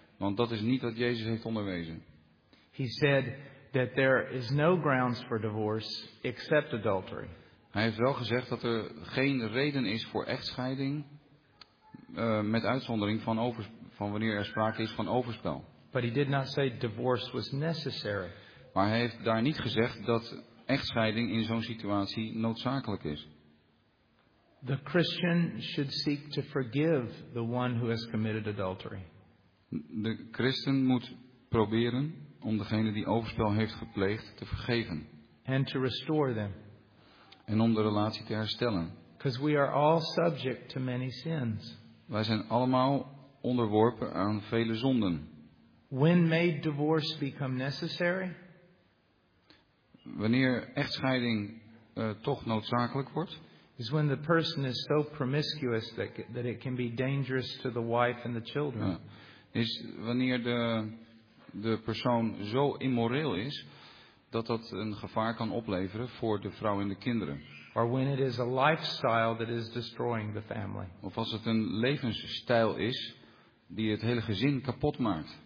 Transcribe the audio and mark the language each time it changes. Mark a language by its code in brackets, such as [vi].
[nl] Want dat is niet wat Jezus heeft onderwezen. [en] He said that there is no grounds for divorce except adultery. [nl] Hij heeft wel gezegd dat er geen reden is voor echtscheiding, met uitzondering van wanneer er sprake is van overspel. [en] But he did not say divorce was necessary. [nl] Maar hij heeft daar niet gezegd dat echtscheiding in zo'n situatie noodzakelijk is. [en] The Christian should seek to forgive the one who has committed adultery. [nl] De christen moet proberen om degene die overspel heeft gepleegd te vergeven. [en] And to restore them. [nl] En om de relatie te herstellen. [en] Because we are all subject to many sins. [nl] Wij zijn allemaal onderworpen aan vele zonden. [en] When may divorce become necessary? [nl] Wanneer echtscheiding toch noodzakelijk wordt? [en] Is when the person is so promiscuous that it can be dangerous to the wife and the children. [nl] Ja. Is wanneer de persoon zo immoreel is dat een gevaar kan opleveren voor de vrouw en de kinderen. [en] Or when it is a lifestyle that is destroying the family. [nl] Of als het een levensstijl is die het hele gezin kapot maakt.